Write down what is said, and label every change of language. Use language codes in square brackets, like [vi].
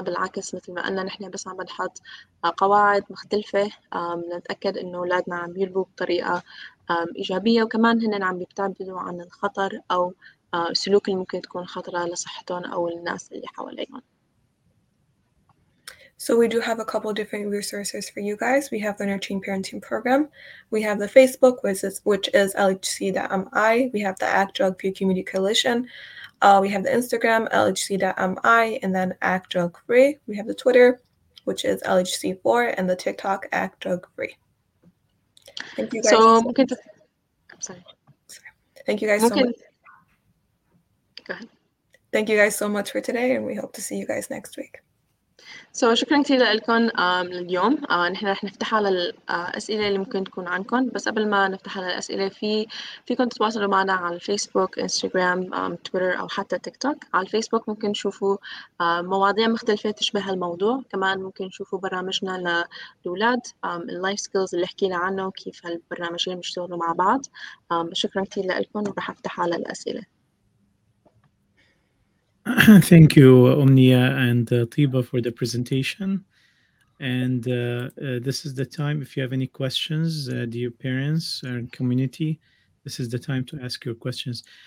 [ar] بالعكس، مثل ما قلنا، نحن بس عم نحط قواعد مختلفة لنتأكد إنه أولادنا عم يربوا بطريقة إيجابية، وكمان هن عم بيبتعدوا عن الخطر أو سلوك اللي ممكن تكون خطرة لصحتهم أو الناس اللي حواليهم. [en] So we do have a couple of different resources for you guys. We have the Nurturing Parenting Program. We have the Facebook, which is LHC.MI. We have the ACT Drug Free Community Coalition. We have the Instagram, LHC.MI, and then ACT Drug Free. We have the Twitter, which is LHC4, and the TikTok, ACT Drug Free. Thank you guys. Thank you guys so much. Thank you guys so much for today, and we hope to see you guys next week. [ar] So, شكرا كثير لكم لليوم. نحن رح نفتح على الأسئلة اللي ممكن تكون عندكم، بس قبل ما نفتح على الأسئلة فيكم تتواصلوا معنا على الفيسبوك، انستغرام، تويتر أو حتى تيك توك. على الفيسبوك ممكن تشوفوا مواضيع مختلفة تشبه الموضوع، كمان ممكن تشوفوا برامجنا للأولاد، اللايف سكيلز اللي حكينا عنه وكيف هالبرامجين بيشتغلوا مع بعض. شكرا كثير لكم، ورح افتح على الأسئلة. [en] Thank you, Omnia and Tiba, for the presentation. And this is the time, if you have any questions, dear parents or community, this is the time to ask your questions.